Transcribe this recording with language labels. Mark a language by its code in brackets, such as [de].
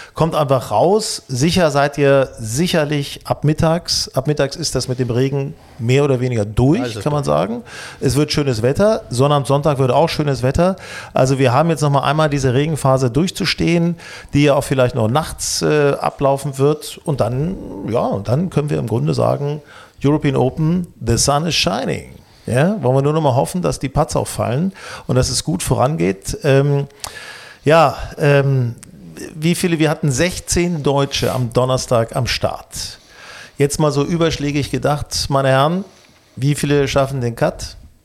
[de] Kommt einfach raus, sicher seid ihr sicherlich ab mittags ist das mit dem Regen mehr oder weniger durch, kann man sagen. Es wird schönes Wetter, Sonne am Sonntag wird auch schönes Wetter. Also wir haben jetzt noch mal einmal diese Regenphase durchzustehen, die ja auch vielleicht noch nachts ablaufen wird und dann können wir im Grunde sagen, [en] European Open, the sun is shining. [de] Ja, wollen wir nur noch mal hoffen, dass die Putts auch fallen und dass es gut vorangeht. Wir hatten 16 Deutsche am Donnerstag am Start. Jetzt mal so überschlägig gedacht, meine Herren, wie viele schaffen den Cut?